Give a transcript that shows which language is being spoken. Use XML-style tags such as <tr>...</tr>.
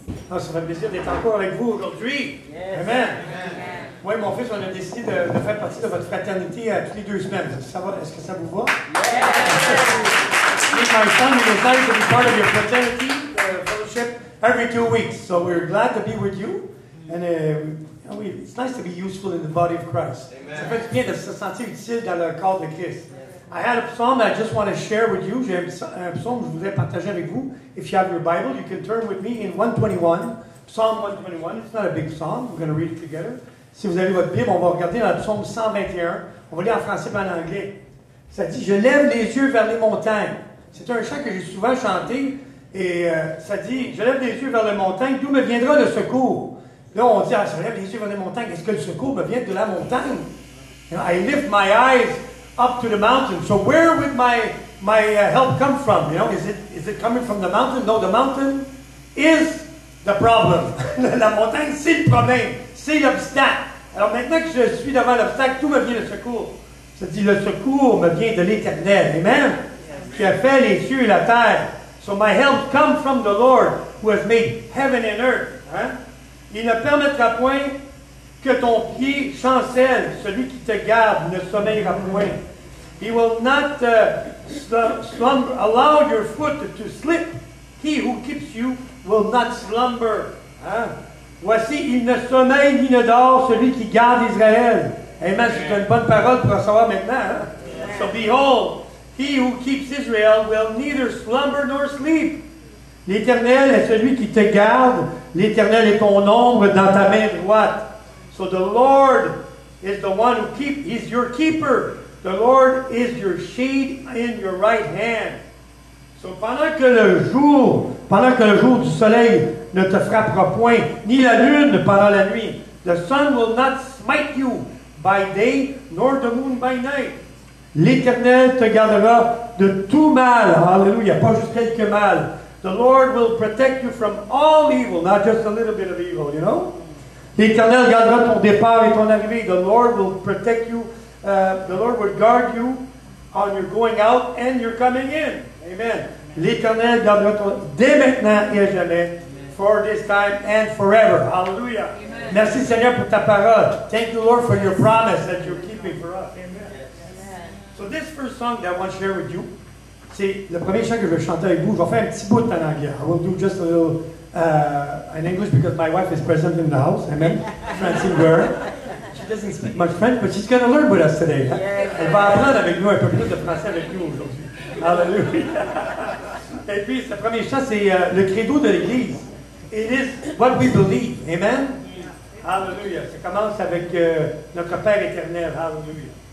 <fr>Ah, ça fait plaisir d'être encore avec vous aujourd'hui.</fr> <en>Yes. Amen. Amen.</en> <fr>Oui, mon fils, on a décidé de faire partie de votre fraternité toutes les deux semaines. Ça va, est-ce que ça vous va?</fr> <en>Yes. It's my son, we decided to be part of your fraternity fellowship every 2 weeks. So we're glad to be with you. And it's nice to be useful in the body of Christ. Amen.</en> <fr>Ça fait du bien de se sentir utile dans le corps de Christ.</fr> <en>I had a psalm that I just want to share with you.</en> <fr>J'ai un psaume que je voudrais partager avec vous.</fr> <en>If you have your Bible, you can turn with me in 121. Psalm 121. It's not a big psalm. We're going to read it together.</en> <fr>Si vous avez votre Bible, on va regarder dans le psaume 121. On va lire en français et en anglais. Ça dit, je lève les yeux vers les montagnes. C'est un chant que j'ai souvent chanté. Et ça dit, je lève les yeux vers les montagnes. D'où me viendra le secours? Là, on dit, je lève les yeux vers les montagnes. Est-ce que le secours me vient de la montagne?</fr> <en>I lift my eyes up to the mountain. So where would my help come from? You know, is it coming from the mountain? No, the mountain is the problem.</en> <fr>La montagne, c'est le problème. C'est l'obstacle. Alors maintenant que je suis devant l'obstacle, tout me vient le secours. Ça dit, le secours me vient de l'Éternel. Amen? Qui a fait les cieux et la terre.</fr> <en>So my help comes from the Lord who has made heaven and earth. Hein?</en> <fr>Il ne permettra point que ton pied chancelle, celui qui te garde, ne sommeillera point.</fr> <en>He will not slumber, allow your foot to slip. He who keeps you will not slumber. Hein?</en> <fr>Voici, il ne sommeille ni ne dort, celui qui garde Israël. Amen, c'est une bonne parole pour savoir maintenant. Hein?</fr> <en>So behold, he who keeps Israel will neither slumber nor sleep.</en> <fr>L'Éternel est celui qui te garde. L'Éternel est ton ombre dans ta main droite.</fr> <en>So the Lord is the one who is your keeper. The Lord is your shade in your right hand.</en> <fr>So pendant que le jour du soleil ne te frappera point, ni la lune pendant la nuit,</fr> <en>the sun will not smite you by day, nor the moon by night.</en> <fr>L'Éternel te gardera de tout mal. Alléluia, pas juste quelques mal.</fr> <en>The Lord will protect you from all evil, not just a little bit of evil, you know?</en> <fr>L'Éternel gardera ton départ et ton arrivée.</fr> <en>The Lord will protect you The Lord would guard you on your going out and your coming in. Amen.</en> <fr>L'Éternel gardera ton dès maintenant et à jamais.</fr> <en>For this time and forever. Hallelujah. Amen.</en> <fr>Merci Seigneur pour ta parole.</fr> <en>Thank you Lord for your promise that you're keeping for us. Amen. So this first song that I want to share with you,</en> <fr>c'est le premier chant que je vais chanter avec vous. Je vais faire un petit bout en anglais.</fr> <en>I will do just a little in English because my wife is present in the house. Amen. Francine Guerra. She doesn't speak much French, but she's going to learn with us today. Yeah.</en> <fr>Elle va apprendre avec nous un peu plus de français avec nous aujourd'hui. Hallelujah. Et puis, le premier chant, c'est le credo de l'Église.</fr> <en>It is what we believe. Amen. Yeah.</en> <fr>Hallelujah. Ça commence avec notre Père éternel. Hallelujah.</fr>